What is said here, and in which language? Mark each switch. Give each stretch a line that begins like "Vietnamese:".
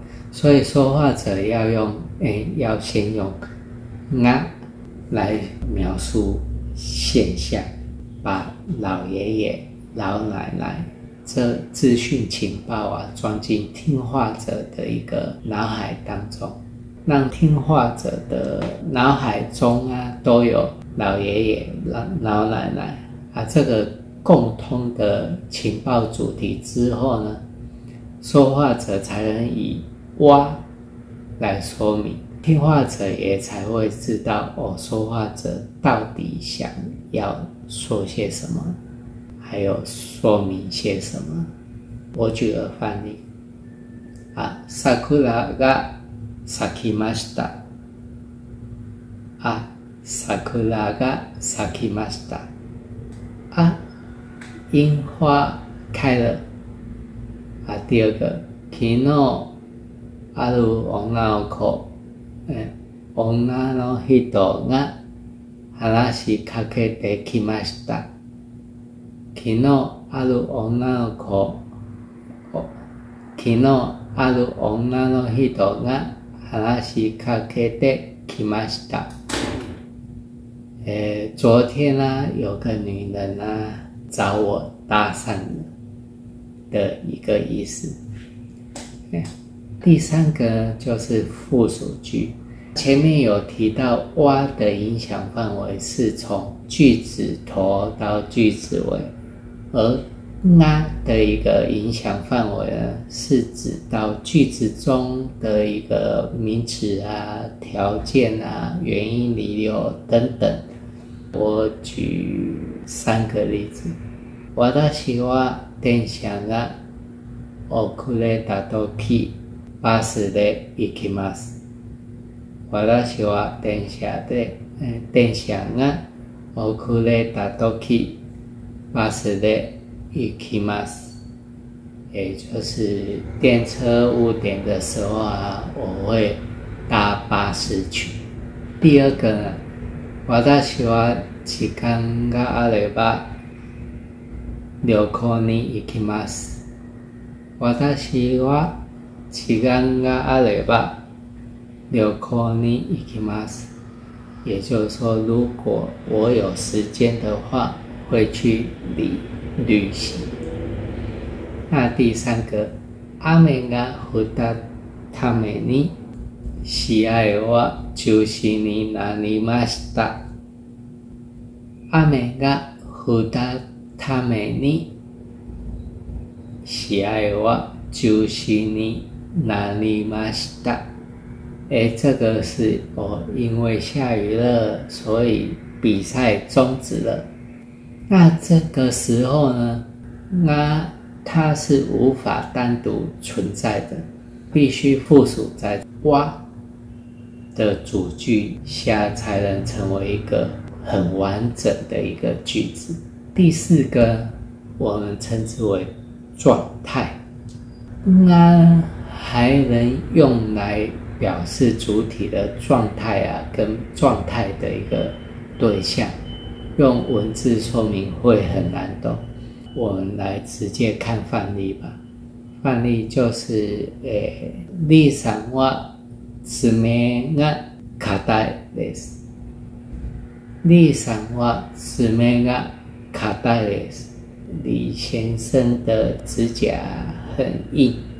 Chinese: 所以说话者要用要先用那来描述现象，把老爷爷老奶奶这资讯情报啊装进听话者的一个脑海当中，让听话者的脑海中啊都有老爷爷老奶奶啊这个共通的情报主题之后呢，说话者才能以哇来说明，听话者也才会知道说话者到底想要说些什么，还有说明些什么。我举个范例，
Japanese: 桜が咲きました。啊，桜が咲きました。
Chinese: 啊，樱花开了。啊，第二个，
Japanese: 昨日ある女の子、女の人が話しかけてきました。昨日ある女の子、昨日ある女の人が話しかけてきました。
Chinese: 昨天呢、啊，有个女人呢、啊、找我搭讪的一个意思。第三个就是附属句，前面有提到哇的影响范围是从句子头到句子尾，而那的一个影响范围呢，是指到句子中的一个名词啊、条件啊、原因理由等等。我举三个例子，
Japanese: 私は電車が遅れた時バスで行きます。私は電車で、電車が遅れた時バスで行きます。
Chinese: 也就是电车误点的时候啊，我会搭巴士去。第二个呢，
Japanese: 私は時間があれば旅行に行きます。私は時間があれば旅行に行きます。
Chinese: 也就是说，如果我有时间的话，会去旅行。那第三个，
Japanese: 雨が降ったために試合は中止になりました。雨が降ったために試合は中止になりました。
Chinese: 这个是我、因为下雨了，所以比赛终止了。那这个时候呢，那它是无法单独存在的，必须附属在哇的主句下才能成为一个很完整的一个句子。第四个，我们称之为状态。那还能用来表示主体的状态啊，跟状态的一个对象，用文字说明会很难懂。我们来直接看范例吧。范例就是，
Japanese: リさんは爪が硬いです。李先生は爪が硬いです。
Chinese: 李先生的指甲很硬。